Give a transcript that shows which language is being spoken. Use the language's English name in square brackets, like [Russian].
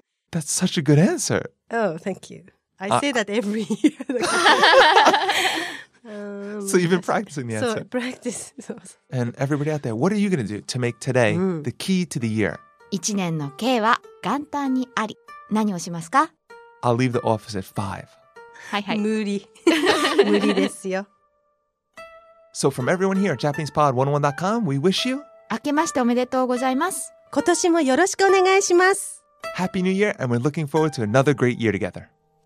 [English] That's such a good answer. Oh, thank you. I say that every year. So you've been practicing the answer. So practice. And everybody out there, what are you going to do to make today the key to the year? [Japanese] 一年の計は元旦にあり。何をしますか? [English] I'll leave the office at 5. [Japanese] はいはい。無理。無理ですよ。 [English] So from everyone here at JapanesePod101.com, we wish you... [Japanese] 明けましておめでとうございます。今年もよろしくお願いします。 [English] Happy New Year, and we're looking forward to another great year together.